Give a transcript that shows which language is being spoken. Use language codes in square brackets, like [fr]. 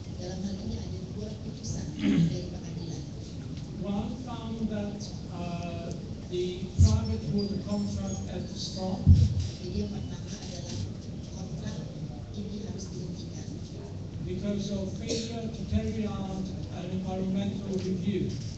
[id] Dalam hal ini ada dua putusan dari pengadilan. [en] One found that the private water contract had to stop. [id] Jadi yang pertama adalah kontrak ini harus dihentikan. [en] Because of failure to carry out an environmental review.